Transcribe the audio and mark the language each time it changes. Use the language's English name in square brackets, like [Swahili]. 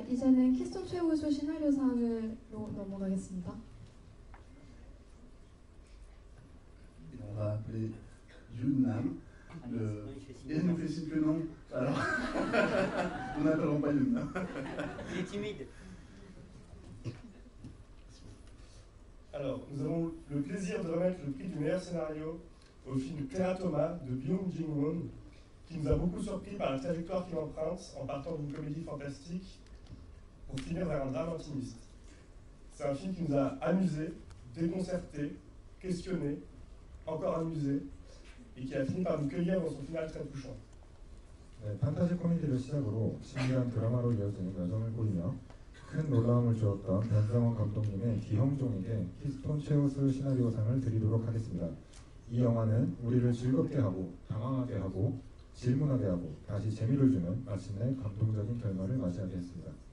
[Korean] 이제는 키스톤 최우수 시나리오상으로 넘어가겠습니다. [French] 알ors, nous avons le plaisir de remettre le prix du meilleur scénario au film Claire Thomas de Byung Jin-woon, qui nous a beaucoup surpris par la trajectoire qu'il emprunte en partant d'une comédie fantastique pour finir vers un drame optimiste. C'est un film qui nous a amusés, déconcertés, questionnés, encore amusés, et qui a fini par nous cueillir dans son final très touchant. [Korean] 네, 판타지 코미디를 시작으로 신기한 드라마로 이어진 여정을 보이며 큰 놀라움을 주었던 변상원 감독님의 기형종에게 키스톤 최우수 시나리오상을 드리도록 하겠습니다. 이 영화는 우리를 즐겁게 하고 당황하게 하고 질문하게 하고 다시 재미를 주는 마침내 감동적인 결말을 맞이하게 했습니다.